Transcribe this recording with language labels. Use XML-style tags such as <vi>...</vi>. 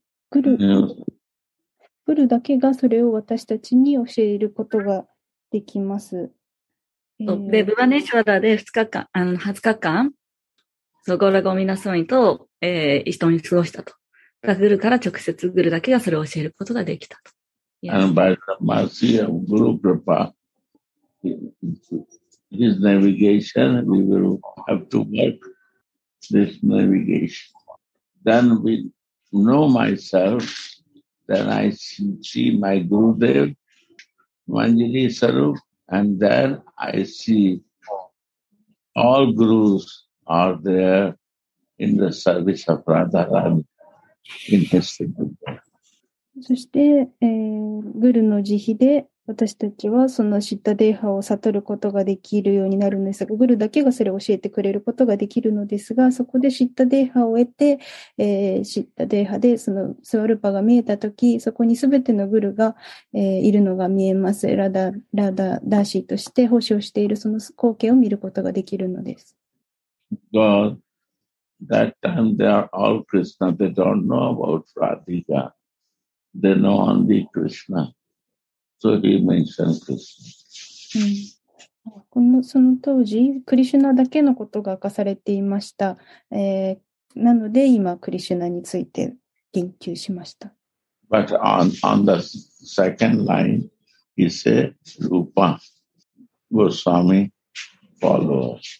<ja>グルだけがそれを私たちに教えることができます。で、ブバネシュワラで20日間、ゴラゴミナスワミと、一緒に過ごしたと。グルから直接グルだけがそれを教えることができたと。</ja> <en>And by the mercy of Guru Prabhupada, his navigation, we will have to work this navigation. Then we know myself, then I see my Gurudev, Manjari Sarup, and then I see all Gurus are there in the service of Radharani in his temple.</en> <ja>そして、グルの慈悲で私たちはそのシッタデーハを悟ることができるようになるんですが、グルだけがそれを教えてくれることができるのですが、そこでシッタデーハを得て、シッタデーハでそのスワルパが見えたとき、そこにすべてのグルが、いるのが見えます。ラダーシーとして奉仕をしているその光景を見ることができるのです。</ja> <en>God, that time they are all Krishna, they don't know about Radhika. They know only Krishna. So he mentioned Krishna.</en> <ja>このその当時、クリシュナだけのことが明かされていました。なので今、クリシュナについて言及しました。</ja> <en>But on the second line, he said, Rupa, Goswami, follower.</en>